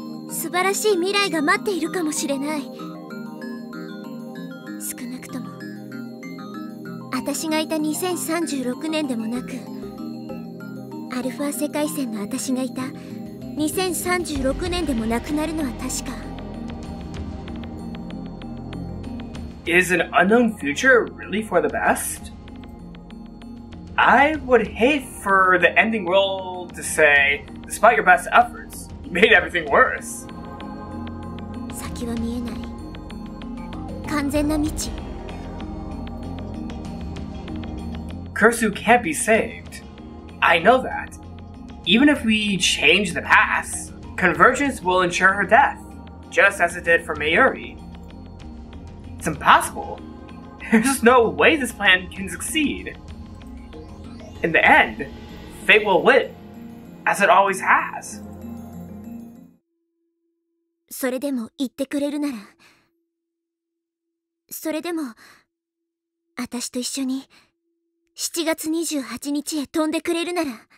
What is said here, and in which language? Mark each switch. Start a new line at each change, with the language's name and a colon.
Japanese: 素晴らしい未来が待っているかもしれない少なくとも私がいた2036年でもなくアルファ世界線の私がいた2036年でもなくなるのは確か。
English: Is an unknown future really for the best? I would hate for the ending world to say, despite your best efforts, you made everything worse.
Japanese: 先は見えない。完全な道。
English: Kurisu can't be saved. I know that. Even if we change the past, convergence will ensure her death, just as it did for Mayuri. It's impossible. There's no way this plan can succeed. In the end, fate will win, as it always has.
Japanese: それでも言ってくれるなら、それでも、私と一緒に7月28日へ飛んでくれるなら、